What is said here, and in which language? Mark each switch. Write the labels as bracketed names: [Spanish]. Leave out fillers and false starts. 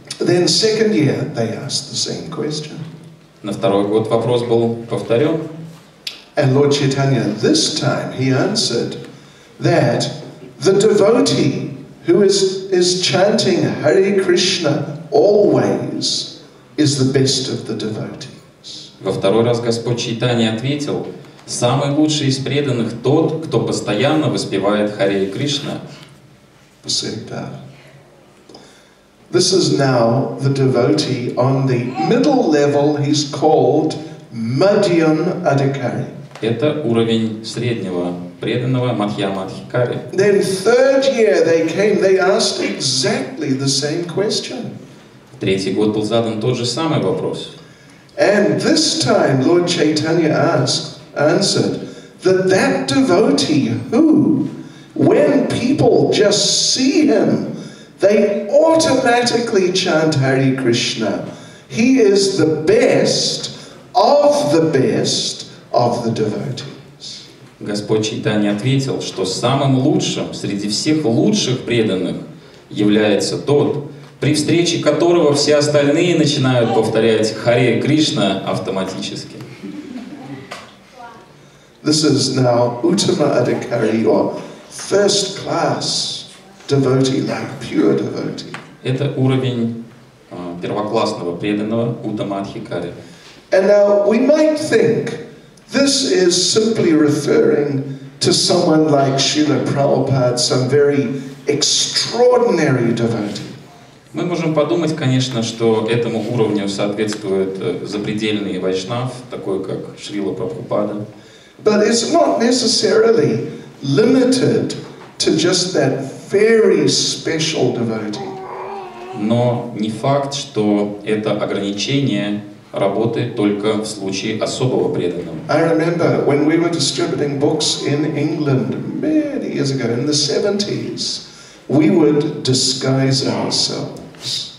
[English] Then second year they asked the same question. [Russian] На второй год вопрос был повторен. [English] And Lord Chaitanya this time he answered that the devotee who is chanting Hare Krishna always is the best of the devotees. [Russian] Во второй раз Господь Чайтанья ответил: самый лучший из преданных тот, кто постоянно воспевает Харе Кришна. Всегда. [English] This is now the devotee on the middle level, he's called Madhyam Adhikari. [Russian] Это уровень среднего преданного, Мадхьяма Адхикари. [English] Then third year they came, they asked exactly the same question. [Russian] Третий год был задан тот же самый вопрос. [English] And this time Lord Chaitanya answered that devotee who, when people just see him, they automatically chant Hare Krishna. He is the best of the best of the devotees. [Russian] Господь Чайтанья ответил, что самым лучшим среди всех лучших преданных является тот, при встрече которого все остальные начинают повторять Харе Кришна автоматически. [English] This is now Uttama Adhikari, or first class devotee, like pure devotee. [Russian] Это уровень первоклассного преданного Uttama Adhikari. [English] And now we might think this is simply referring to someone like Srila Prabhupada, some very extraordinary devotee. [Russian] Мы можем подумать, конечно, что этому уровню соответствует запредельный вайшнав, такой как Шрила Прабхупада. [English] But it's not necessarily limited to just that very special devotee. [Russian] Но не факт, что это ограничение работает только в случае особого преданного. [English] I remember when we were distributing books in England many years ago, in the 70s, we would disguise ourselves.